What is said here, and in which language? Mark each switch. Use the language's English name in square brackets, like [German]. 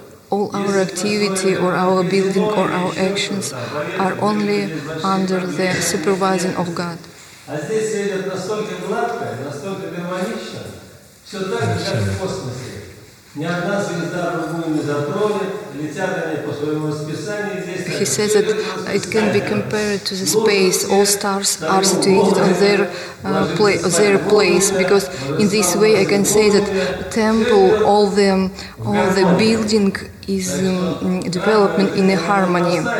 [English] All our activity or our building or our actions are only under the supervising of God. [Russian] А здесь все идет настолько гладко, настолько гармонично, все так же, как в космосе. Ни одна звезда другую не затронет. [English] He says that it can be compared to the space. All stars are situated on their place, because in this way I can say that temple, all the building is development in a harmony.